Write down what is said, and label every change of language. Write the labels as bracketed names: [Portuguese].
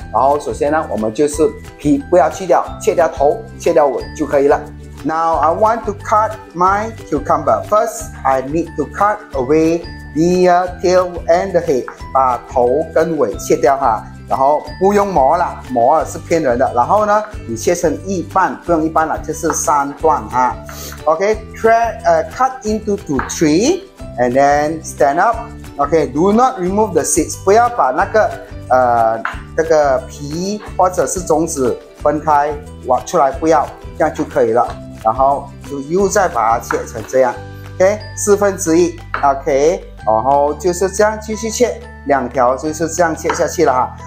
[Chinese] 然后首先呢，我们就是皮不要去掉，切掉头，切掉尾就可以了。 [English] Now I want to cut my cucumber. First, I need to cut away the tail and the head. [Chinese] 把头跟尾切掉哈。然后不用磨了，磨了是骗人的。然后呢，你切成一半，不用一半了，就是三段哈。 [English] OK, cut into two, three, and then stand up. Okay, do not remove the seeds. [Chinese] 不要把那个这个皮或者是种子分开挖出来，不要，这样就可以了。然后就又再把它切成这样。 [English] Okay, [Chinese] 四分之一。 [English] Okay, [Chinese] 然后就是这样继续切，两条就是这样切下去了哈。